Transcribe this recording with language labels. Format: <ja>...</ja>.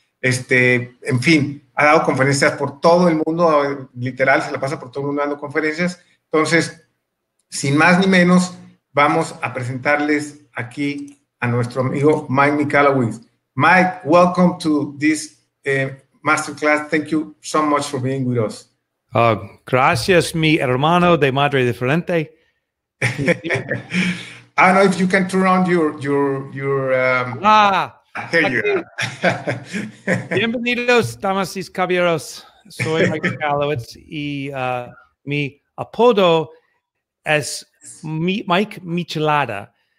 <es>En fin, ha dado conferencias por todo el mundo, literal, se la pasa por todo el mundo dando conferencias. Entonces, sin más ni menos, vamos a presentarles aquí a nuestro amigo Mike Michalowicz.</es> <en>Mike, welcome to this masterclass. Thank you so much for being with us.</en> <es>Gracias, mi hermano de madre diferente.</es> <en>I don't know if you can turn on your here you are.</en> <es>Bienvenidos, damas y caballeros. Soy Mike Michalowicz y mi apodo es Mike Michelada.</es>